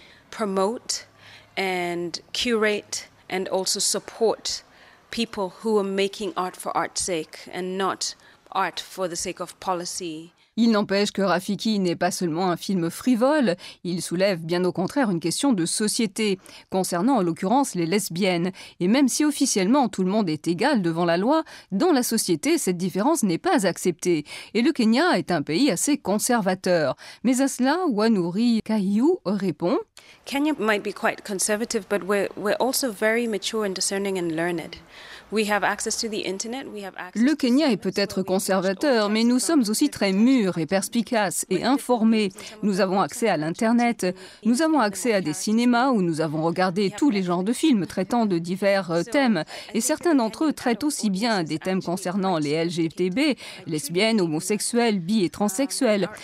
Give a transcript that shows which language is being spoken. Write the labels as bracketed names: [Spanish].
[English] Promote and curate and also support people who are making art for art's sake and not art for the sake of policy. [French] Il n'empêche que Rafiki n'est pas seulement un film frivole, il soulève bien au contraire une question de société, concernant en l'occurrence les lesbiennes. Et même si officiellement tout le monde est égal devant la loi, dans la société cette différence n'est pas acceptée. Et le Kenya est un pays assez conservateur. Mais à cela, Wanuri Kahiu répond. [English] Kenya might be quite conservative, but we're also very mature and discerning and learned. [French] Le Kenya est peut-être conservateur, mais nous sommes aussi très mûrs et perspicaces et informés. Nous avons accès à l'Internet, nous avons accès à des cinémas où nous avons regardé tous les genres de films traitant de divers thèmes. Et certains d'entre eux traitent aussi bien des thèmes concernant les LGBT, lesbiennes, homosexuels, bi et transsexuels.